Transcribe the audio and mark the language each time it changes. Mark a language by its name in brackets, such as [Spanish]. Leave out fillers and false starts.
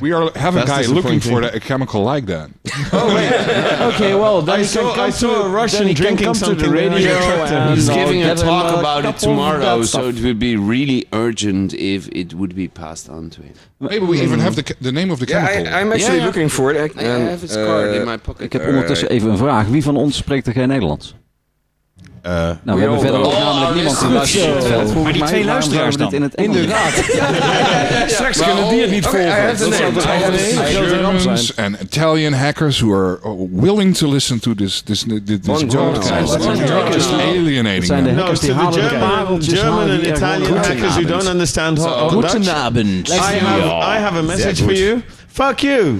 [English] We have a guy looking for a chemical like that. Oh, wait. Okay, well, then I saw a Russian drinking something to the radio. He's giving a talk about it tomorrow, so it would be really urgent if it would be passed on to him. Maybe we even have the name of the chemical. Yeah, I'm actually looking for it. I have his card in my pocket. [Dutch] Ik heb ondertussen even een vraag. Wie van ons spreekt er geen Nederlands? Nou, we hebben verder ook namelijk niemand te luisteren. Maar die twee luisteraars dan? Inderdaad. Straks kunnen die het niet volgen. [English] Germans en Italian hackers who are willing to listen to this podcast. Just alienating them. No, to the German and Italian hackers who don't understand how Dutch. [German] Guten Abend. [English] I have a message for you. Fuck you!